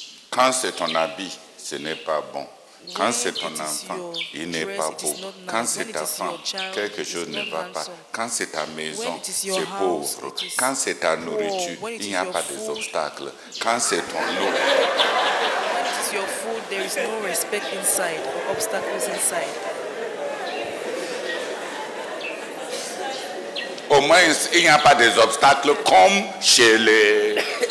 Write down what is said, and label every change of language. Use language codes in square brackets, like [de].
[fr] Quand c'est ton habit, ce n'est pas bon. Quand c'est ton enfant, il n'est pas beau. Quand c'est ta femme, quelque chose ne va pas. Quand c'est ta maison, c'est pauvre. Quand c'est ta nourriture, il n'y a pas d'obstacle. Quand c'est ton eau. [en] When it is your food, there is no respect inside or obstacles inside. [fr] Au moins, il n'y a pas des obstacles comme chez les autres.